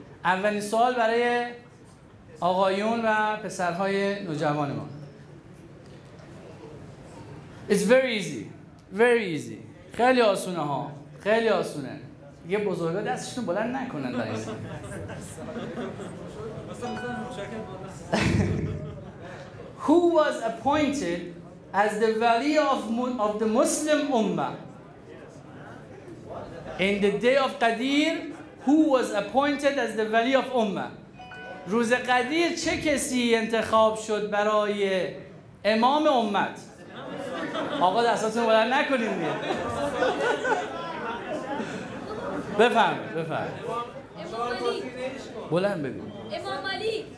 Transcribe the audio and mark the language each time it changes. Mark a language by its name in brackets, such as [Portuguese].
[Persian] اولین سوال برای آقایون و پسرهای نوجوان ما. [English] It's very easy. Very easy. [Persian] خیلی آسونه ها. خیلی آسونه. یه بزرگا دستشون بلند نکنن برای این. [English] Who was appointed as the Wali of the Muslim Ummah? In the day of Qadir, who was appointed as the Wali of Ummah? [Persian] روز قدیر چه کسی انتخاب شد برای امام امت؟ آقا دستاتون بلند نکنید دیگه. بفهم، بفهم. بلند بگو. امام علی.